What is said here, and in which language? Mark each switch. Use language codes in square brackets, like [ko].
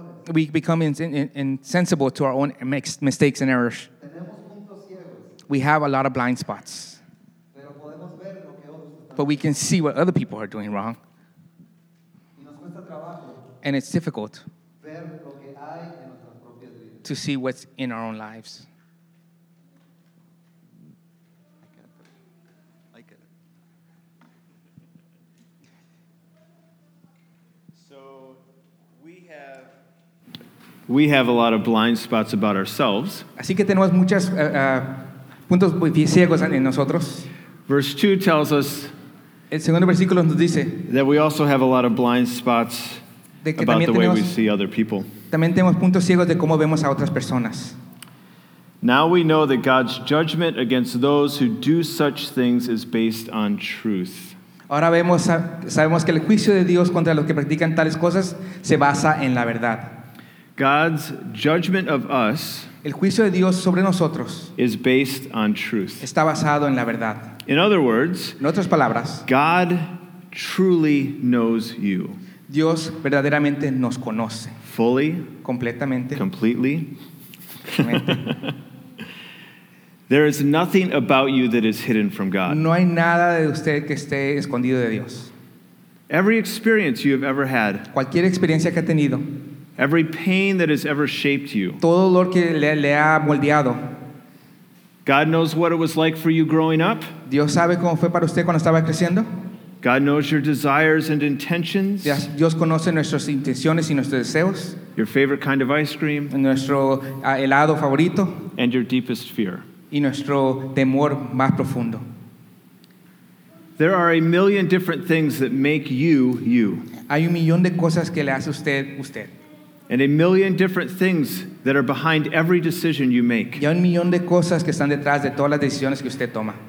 [en] We become insensible to our own mistakes and errors. We have a lot of blind spots. [es] Pero podemos ver [en] but we can see what other people are doing wrong. [es] Y nos cuesta trabajo. [en] And it's difficult [es] ver lo que hay en nuestras propias vidas. [en] To see what's in our own lives. We have a lot of blind spots about ourselves. [es] Así que tenemos muchas puntos ciegos en nosotros. [en] Verse 2 tells us [es] el segundo versículo nos dice [en] that we also have a lot of blind spots [es] de que [en] about [es] también [en] the [es] tenemos, [en] way we see other people. [es] También tenemos puntos ciegos de cómo vemos a otras personas. [en] Now we know that God's judgment against those who do such things is based on truth. [es] Ahora vemos, sabemos que el juicio de Dios contra los que practican tales cosas se basa en la verdad. [en] God's judgment of us, [es] el juicio de Dios sobre nosotros, [en] is based on truth. [es] Está basado en la verdad. [en] In other words, [es] en otras palabras, [en] God truly knows you. [es] Dios verdaderamente nos conoce. [en] Fully, [es] completamente, [en] completely. There is nothing about you that is hidden from God. [es] No hay nada de usted que esté escondido de Dios. [en] Every experience you have ever had, [es] cualquier experiencia que ha tenido, [en] every pain that has ever shaped you. [es] Todo dolor que le ha moldeado. [en] God knows what it was like for you growing up. [es] Dios sabe cómo fue para usted cuando estaba creciendo. [en] God knows your desires and intentions. [es] Dios conoce nuestras intenciones y nuestros deseos. [en] Your favorite kind of ice cream. [es] Nuestro helado favorito. [en] And your deepest fear. [es] Y nuestro temor más profundo. [en] There are a million different things that make you, you. [es] Hay un millón de cosas que le hace usted, usted. [en] And a million different things that are behind every decision you make. [es] Y un millón de cosas que están detrás de todas las decisiones que usted toma.